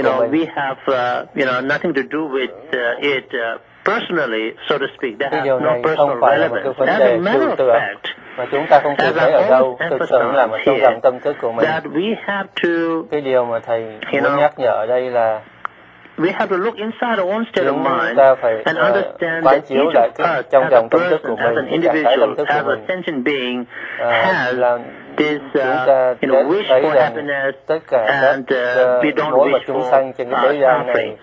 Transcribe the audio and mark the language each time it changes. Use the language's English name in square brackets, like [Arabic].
[English] We have nothing to do with it personally, so to speak. That has no personal relevance. As a matter of fact, [Vietnamese] mà chúng ta không thể thấy ở đâu thực sự là một trong dòng tâm thức của mình. Cái điều mà thầy muốn nhắc nhở ở đây là [English] we have to look inside our own state of mind and understand that each of us, as a person, as an individual, as a sentient being, has this wish for happiness, and we don't wish for suffering.